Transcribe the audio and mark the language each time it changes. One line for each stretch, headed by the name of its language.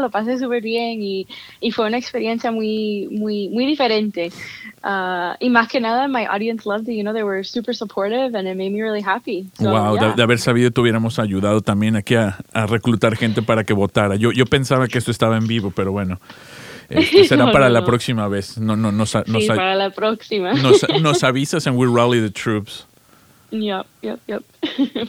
Spanish: Lo pasé súper bien y fue una experiencia muy, muy, muy diferente. Y más que nada,
English: my audience loved it. You know, they were super supportive and it made me really happy. So, wow, yeah.
Spanish: De haber sabido, te hubiéramos ayudado también aquí a reclutar gente para que votara. Yo pensaba que esto estaba en vivo, pero bueno. Será para la próxima vez. Sí, para la próxima. Nos avisas
English: and we rally the troops. Yep.